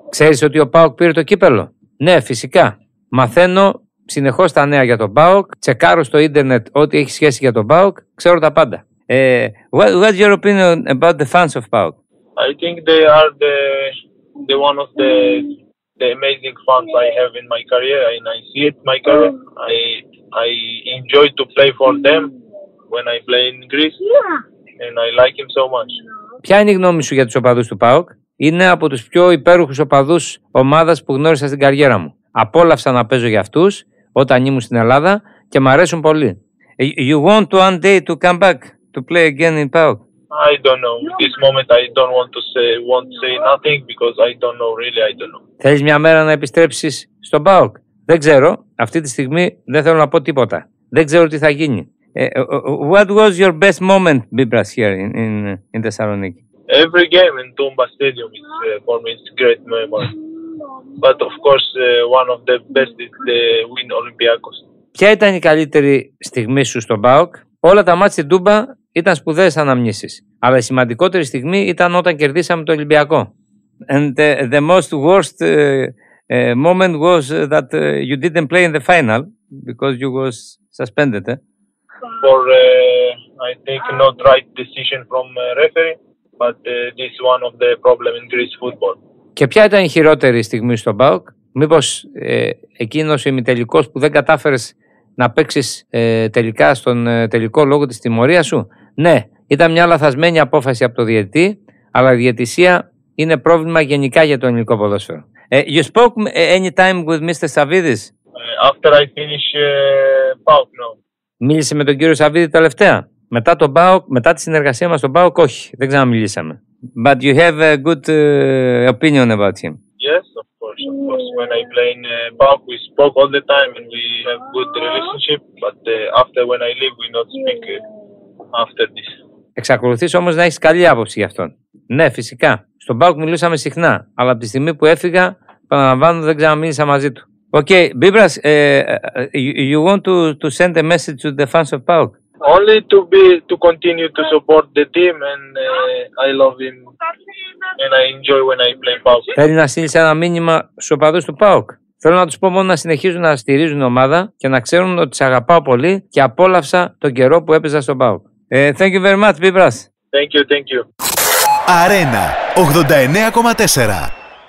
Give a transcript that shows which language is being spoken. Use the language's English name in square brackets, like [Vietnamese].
[Greek] Ξέρεις ότι ο ΠΑΟΚ πήρε το κύπελλο? Ναι, φυσικά. Μαθαίνω συνεχώς τα νέα για τον ΠΑΟΚ, τσεκάρω στο ίντερνετ ό,τι έχει σχέση για τον ΠΑΟΚ, ξέρω τα πάντα. [English] What's your opinion about the fans of PAOK? I think they are the one of the amazing fans I have in my career, and I see it in my career. I enjoy to play for them when I play in Greece, and I like him so much. [Greek] Ποια είναι η γνώμη σου για τους οπαδούς του ΠΑΟΚ? Είναι από τους πιο υπέροχους οπαδούς ομάδας που γνώρισα στην καριέρα μου. Απόλαυσα να παίζω για αυτούς όταν ήμουν στην Ελλάδα και μ' αρέσουν πολύ. [English] You want to one day to come back to play again in PAOK? I don't know. This moment I don't want to say nothing because I don't know, really I don't know. [Greek] Θέλεις μια μέρα να επιστρέψεις στον PAOK? Δεν ξέρω. Αυτή τη στιγμή δεν θέλω να πω τίποτα. Δεν ξέρω τι θα γίνει. [English] What was your best moment, Bibras, here in Thessaloniki? Every game in Tumba Stadium is for me is great memory. But of course, one of the best is the win Olympiacos. [Greek] Ποια ήταν η καλύτερη στιγμή σου στον ΠΑΟΚ? Όλα τα μάτς στην Τούμπα ήταν σπουδαίες αναμνήσεις. Αλλά η σημαντικότερη στιγμή ήταν όταν κερδίσαμε το Ολυμπιακό. [English] And the most worst moment was that you didn't play in the final because you was suspended. For I think not right decision from referee, but this one of the problem in Greece football. [Greek] Και ποια ήταν η χειρότερη στιγμή στον ΠΑΟΚ; Μήπως εκείνος ο ημιτελικός που δεν κατάφερες να παίξεις τελικά στον τελικό λόγο της τιμωρίας σου; Ναι, ήταν μια λαθασμένη απόφαση από το διαιτητή, αλλά η διαιτησία είναι πρόβλημα γενικά για το ελληνικό ποδόσφαιρο. [English] You spoke any time with Mr. Savvidis? After I finish ΠΑΟΚ, no. [Greek] Μίλησε με τον κύριο Σαββίδη τελευταία; Μετά τον ΠΑΟΚ, μετά τη συνεργασία μας στον ΠΑΟΚ, όχι, δεν ξαναμιλήσαμε. [English] But you have a good opinion about him. Yes, of course. When I play in Bach, we spoke all the time and we have good relationship. But after when I leave, we not speak after this. [Greek] Εξακολουθείς όμως να έχεις καλή άποψη γι' αυτόν. Ναι, φυσικά. Στον Bach μιλούσαμε συχνά. Αλλά από τη στιγμή που έφυγα, παραλαμβάνω, δεν ξαναμίλησα μαζί του. [English] Okay, Bibras, you want to send a message to the fans of Bach? Only to continue to support the team and I love him and I enjoy when I play PAOK. [Greek] Θέλει να στείλει ένα μήνυμα στους οπαδούς του PAOK. Θέλω να τους πω μόνο να συνεχίζουν να στηρίζουν την ομάδα και να ξέρουν ότι σε αγαπάω πολύ και απόλαυσα τον καιρό που έπαιζα στο PAOK. [English] Thank you very much, Bibras. Thank you, thank you. Arena 89,4.